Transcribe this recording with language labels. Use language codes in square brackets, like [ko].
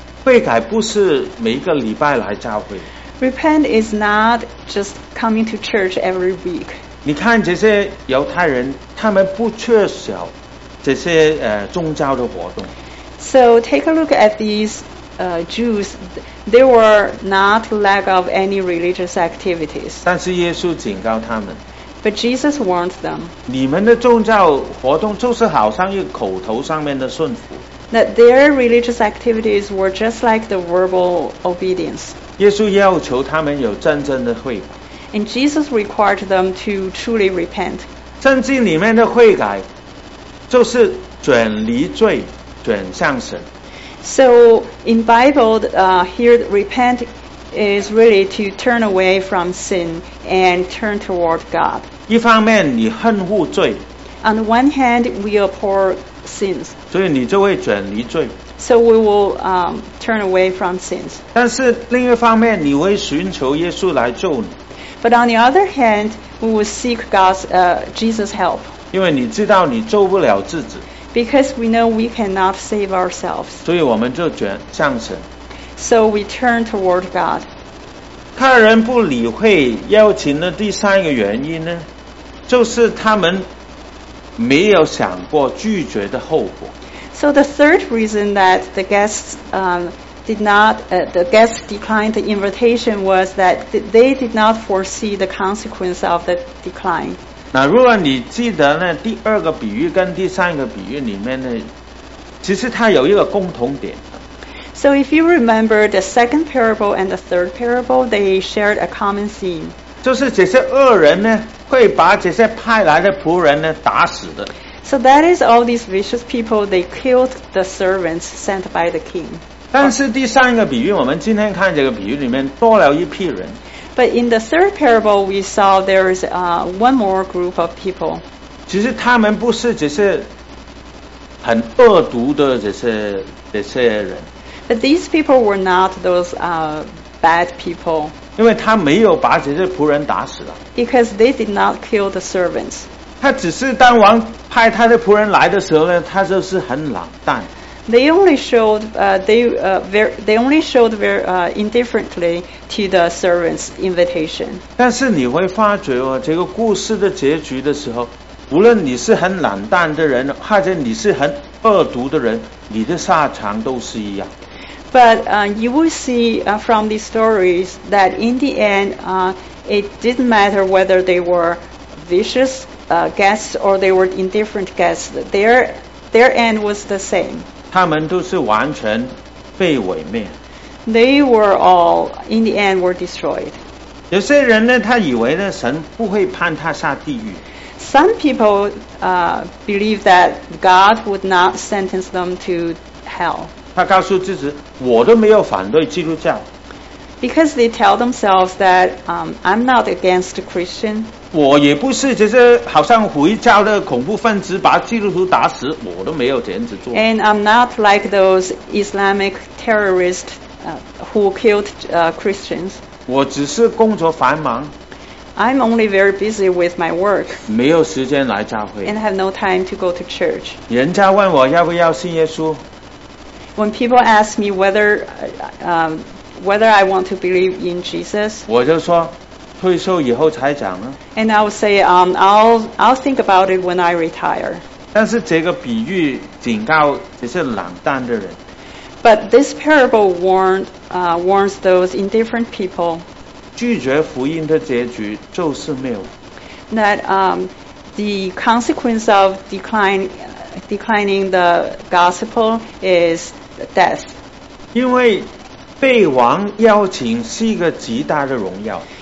[zh] 悔改不是每一个礼拜来教会。 [en] Repent is not just coming to church every week. [zh] 你看这些犹太人，他们不缺少这些宗教的活动。 [en] So take a look at these Jews. They were not lack of any religious activities. [zh] 但是耶稣警告他们。 [en] But Jesus warned them. [zh] 你们的宗教活动就是好像一个口头上面的顺服。 [en] That their religious activities were just like the verbal obedience. [zh] 耶稣要求他们有真正的悔改。 [en] And Jesus required them to truly repent. [zh] 圣经里面的悔改就是转离罪转向神。 [en] So in Bible, here repentis really to turn away from sin and turn toward God. [zh] 一方面你恨恶罪。 [en] On the one hand, we abhor sins. [zh] 所以你就会转离罪。 [en] So we will turn away from sins. [zh] 但是另一方面你会寻求耶稣来救你。 [en] But on the other hand, we will seek God's, Jesus' help. [zh] 因为你知道你救不了自己。 [en] Because we know we cannot save ourselves. [zh] 所以我们就转向神。 [en] So we turn toward God. [zh] 客人不理会邀请的第三个原因呢，就是他们没有想过拒绝的后果。 [en] So the third reason that the guests the guests declined the invitation was that they did not foresee the consequence of the decline. [zh] 那如果你记得呢，第二个比喻跟第三个比喻里面呢，其实它有一个共同点。 [en] So if you remember the second parable and the third parable, they shared a common theme. [zh] 就是这些恶人呢，会把这些派来的仆人呢打死的。 [en] So that is all these vicious people, they killed the servants sent by the king. [zh] 但是第三个比喻，我们今天看这个比喻里面多了一批人。 [en] But in the third parable, we saw there is one more group of people. [zh] 其实他们不是这些很恶毒的这些人。 [en] But these people were not those bad people. [zh] 因为他没有把这些仆人打死了。 [en] Because they did not kill the servants. [zh] 他只是当王派他的仆人来的时候呢，他就是很冷淡。 [en] They only showed very indifferently to the servants' invitation. [zh] 但是你会发觉哦，这个故事的结局的时候，无论你是很冷淡的人，或者你是很恶毒的人，你的下场都是一样。 [en] But you will see from these stories that in the end, it didn't matter whether they were vicious guests or they were indifferent guests. Their end was the same. [zh] 他们都是完全被毁灭。 [en] They were all in the end were destroyed. [zh] 有些人呢，他以为呢，神不会判他下地狱。 [en] Some people believe that God would not sentence them to hell. [zh] 他告诉自己，我都没有反对基督教。 [en] Because they tell themselves that I'm not against Christian. [zh] 我也不是就是好像回教的恐怖分子把基督徒打死，我都没有这样子做。 [en] And I'm not like those Islamic terrorists who killed Christians. [zh] 我只是工作繁忙。 [en] I'm only very busy with my work. [zh] 没有时间来教会。 [en] And have no time to go to church. [zh] 人家问我要不要信耶稣。 [en] When people ask me whether I want to believe in Jesus, [zh] 我就说退休以后才讲呢。 [en] And I will say, I'll think about it when I retire. [zh] 但是这个比喻警告只是懒惰的人。 [en] But this parable warns those indifferent people. [zh] 拒绝福音的结局就是灭亡。 [en] That the consequence of declining the gospel is death. [zh] 因为被王邀请是一个极大的荣耀。